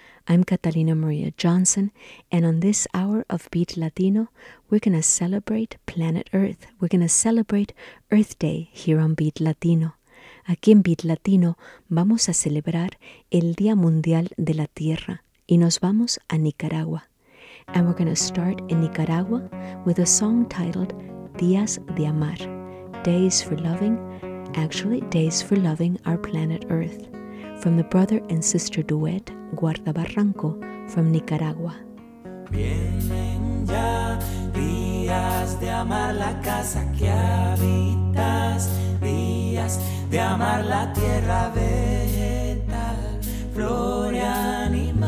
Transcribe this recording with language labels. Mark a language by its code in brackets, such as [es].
[en] I'm Catalina Maria Johnson, and on this hour of Beat Latino, we're going to celebrate planet Earth. We're going to celebrate Earth Day here on Beat Latino. [es] Aquí en Beat Latino vamos a celebrar el Día Mundial de la Tierra y nos vamos a Nicaragua. [en] And we're going to start in Nicaragua with a song titled Días de Amar, Days for Loving, actually Days for Loving Our Planet Earth, from the brother and sister duet Guardabarranco from Nicaragua. [es] Vienen ya días de amar la casa que habitas, días de amar la tierra vegetal, flor y animal.